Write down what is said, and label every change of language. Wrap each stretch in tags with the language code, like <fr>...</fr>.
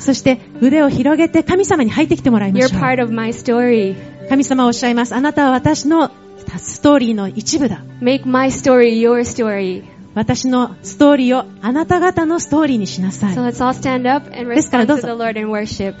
<ja>そして腕を広げて神様に入ってきてもらいましょう。</ja> <en>You're part of my story.</en> <ja>神様はおっしゃいます。あなたは私のストーリーの一部だ。</ja> <en>Make my story your story.</en> <ja>私のストーリーをあなた方のストーリーにしなさい。</ja> <en>So let's all stand up and respond to the Lord in worship.</en>